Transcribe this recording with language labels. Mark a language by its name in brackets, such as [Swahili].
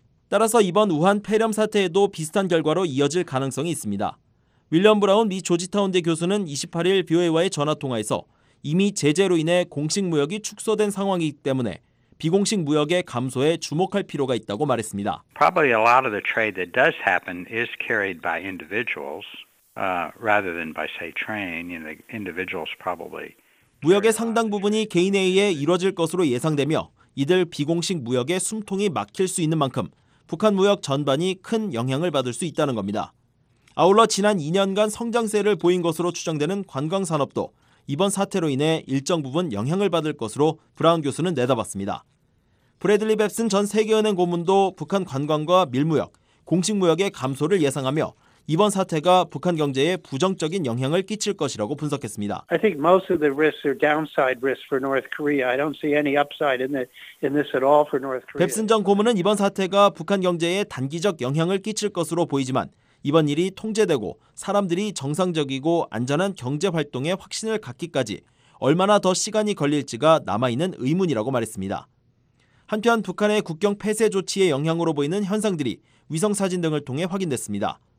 [Korean] 따라서 이번 우한 폐렴 사태에도 비슷한 결과로 이어질 가능성이 있습니다. 윌리엄 브라운 미 조지타운대 교수는 28일 BOA와의 전화통화에서 이미 제재로 인해 공식 무역이 축소된 상황이기 때문에 비공식 무역의 감소에 주목할 필요가 있다고 말했습니다. [English] Probably a lot of the trade that does happen is carried by individuals rather than by say train. You know, individuals probably. [Korean] 무역의 상당 부분이 개인에 의해 이루어질 것으로 예상되며 이들 비공식 무역의 숨통이 막힐 수 있는 만큼 북한 무역 전반이 큰 영향을 받을 수 있다는 겁니다. 아울러 지난 2년간 성장세를 보인 것으로 추정되는 관광 산업도 이번 사태로 인해 일정 부분 영향을 받을 것으로 브라운 교수는 내다봤습니다. 브래들리 뱁슨 전 세계은행 고문도 북한 관광과 밀무역, 공식 무역의 감소를 예상하며 이번 사태가 북한 경제에 부정적인 영향을 끼칠 것이라고 분석했습니다. [English] I think most of the risks are downside risks for North Korea. I don't see any upside in this at all for North Korea. [Korean] 뱁슨 전 고문은 이번 사태가 북한 경제에 단기적 영향을 끼칠 것으로 보이지만 이번 일이 통제되고 사람들이 정상적이고 안전한 경제 활동에 확신을 갖기까지 얼마나 더 시간이 걸릴지가 남아있는 의문이라고 말했습니다. 한편 북한의 국경 폐쇄 조치의 영향으로 보이는 현상들이 위성사진 등을 통해 확인됐습니다.